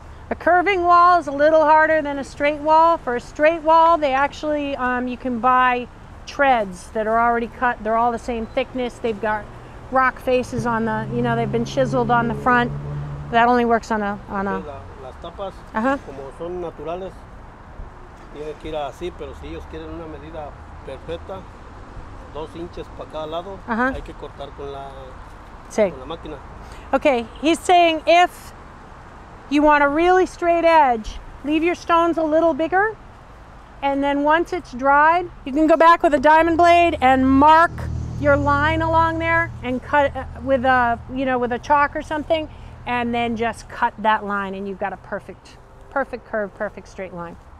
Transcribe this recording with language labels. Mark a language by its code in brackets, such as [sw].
[en] A curving wall is a little harder than a straight wall. For a straight wall, they actually, you can buy treads that are already cut. They're all the same thickness. They've got rock faces on the, you know, they've been chiseled on the front. That only works on a, [es] Las tapas, como son naturales, tiene que ir así, pero si ellos quieren una medida perfecta, 2 inches para cada lado, hay que cortar con la, con la máquina. [en] Okay, he's saying if you want a really straight edge, leave your stones a little bigger, and then once it's dried, you can go back with a diamond blade and mark your line along there and cut with a, you know, with a chalk or something, and then just cut that line and you've got a perfect curve, perfect straight line.